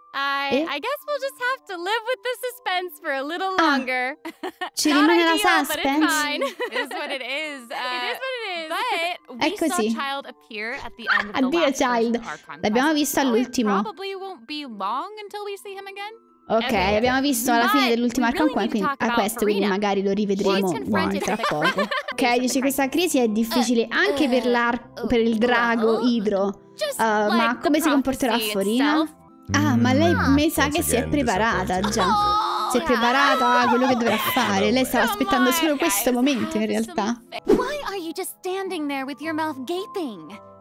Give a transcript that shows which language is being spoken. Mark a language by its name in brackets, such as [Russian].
[English] I guess we'll just have to live with the suspense for a little longer. [Italian] Ci rimane la suspense. [English] It is what it is. But [Italian] è così. [English] We saw Child appear at the end of the last [Italian] Child. L'abbiamo visto all'ultimo. [English] Probably won't be long until we see him again. [Italian] Ok, abbiamo visto alla fine dell'ultimo arco qua, quindi a questo quindi magari lo rivedremo tra poco. Ok, dice questa crisi è difficile anche per l'arco, per il drago idro. Ma come si comporterà Furina? Ah, ma lei mi sa che si è preparata già. Si è preparata a quello che dovrà fare. Lei stava aspettando solo questo momento in realtà. [English] Why are you just standing there with your mouth gaping?